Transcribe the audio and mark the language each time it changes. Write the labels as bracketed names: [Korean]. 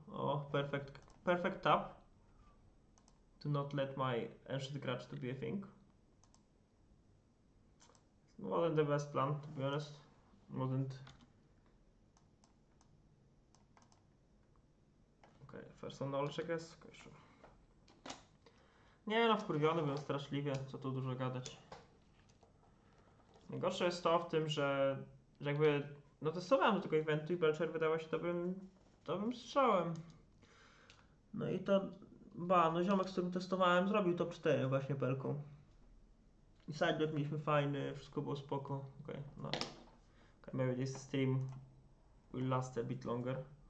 [English] Oh, perfect, perfect tap to not let my Ancient Grudge to be a thing. Wasn't the best plan, to be honest. Wasn't. Okay, first on knowledge, I guess. Okay, sure. [Polish] Nie, no, wkurwiony byłem straszliwie, co tu dużo gadać. Najgorsze jest to w tym, że jakby, no testowałem do tego eventu i Belcher wydawał się dobrym strzałem. No i to, ba, no ziomek, z którym testowałem, zrobił top 4 właśnie pelką. I sideblock mieliśmy fajny, wszystko było spoko. Okej, no. [English] Okay, maybe this stream will last a bit longer.